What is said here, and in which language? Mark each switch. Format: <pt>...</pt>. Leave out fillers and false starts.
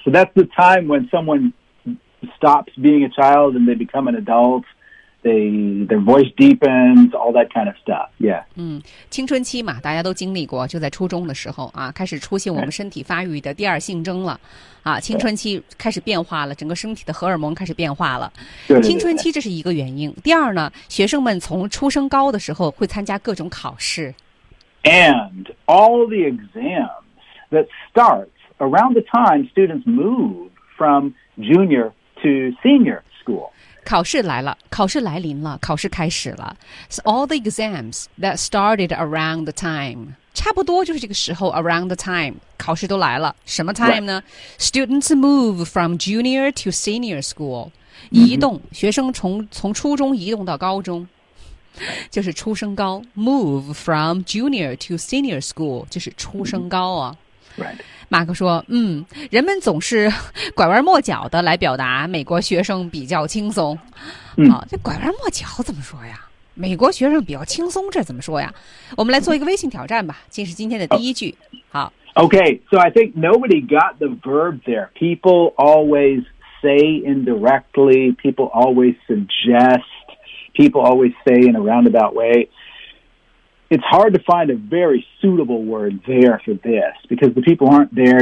<en>So that's the time when someone stops being a child and they become an adult. Their voice deepens, all that kind of stuff. Yeah.</en> <zh>青春期嘛，大家都经历过，就在初中的时候啊，开始出现我们身体发育的第二性征了。啊，青春期开始变化了，整个身体的荷尔蒙开始变化了。青春期这是一个原因。第二呢，学生们从初升高的时候会参加各种考试。</zh> <en>And all the exams that start around the time students move from junior to senior school.</en> <zh>考试来了，考试来临了，考试开始了。</zh> <en>So all the exams that started around the time,</en> <zh>差不多就是这个时候</zh> <en>around the time,</en> <zh>考试都来了。</zh> <en>什么 time 呢、 right. ?Students move from junior to senior school,、mm-hmm.</en> <zh>移动，学生从初中移动到高中。就是初升高 ,</zh> <en>move from junior to senior school,</en> <zh>就是初升高啊。</zh> <en>Mm-hmm. Right.</en> <zh>马克说人们总是拐弯抹角的来表达美国学生比较轻松。这拐弯抹角怎么说呀？美国学生比较轻松这怎么说呀？我们来做一个微信挑战吧，这是今天的第一句。好。</zh> <en>Okay, so I think nobody got the verb there. People always say indirectly, people always suggest, people always say in a roundabout way. It's hard to find a very suitable word there for this because the people aren't there.</en>